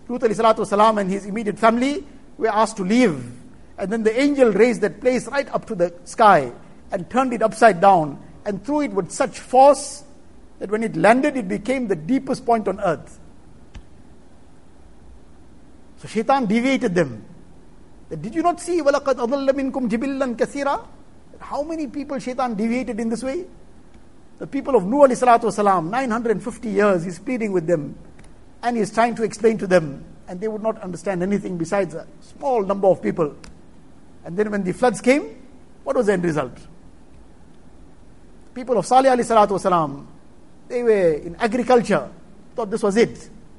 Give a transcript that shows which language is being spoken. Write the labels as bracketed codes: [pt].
[en] Lut alayhi salatu wasalam and his immediate family were asked to leave. And then the angel raised that place right up to the sky and turned it upside down and threw it with such force that when it landed, it became the deepest point on earth. So Shaitan deviated them. Did you not see [ar] وَلَقَدْ أَضَلَّ مِنْكُمْ جِبِلًّا كَثِيرًا? [en] How many people Shaitan deviated in this way? The people of Nuh alayhi salatu wasalam, 950 years, he's pleading with them and he's trying to explain to them, and they would not understand anything besides a small number of people. And then when the floods came, what was the end result? The people of Salih alayhi salatu wasalam, they were in agriculture, thought this was it.